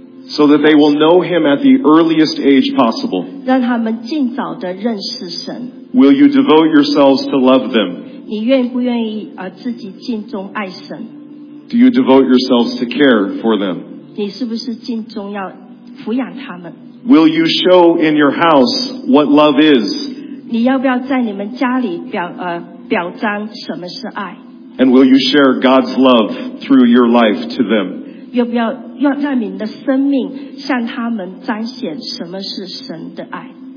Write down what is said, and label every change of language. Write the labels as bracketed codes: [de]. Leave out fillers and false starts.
[en] so that they will know him at the earliest age possible? [zh] 让他们尽早地认识神。 [en] Will you devote yourselves to love them? [zh] 你愿不愿意自己尽忠爱神? [en] Do you devote yourselves to care for them? [zh] 你是不是尽忠要抚养他们? [en] Will you show in your house what love is? [zh] 你要不要在你们家里表彰什么是爱? [en] And will you share God's love through your life to them? [zh] 要不要要让你的生命向他们彰显什么是神的爱?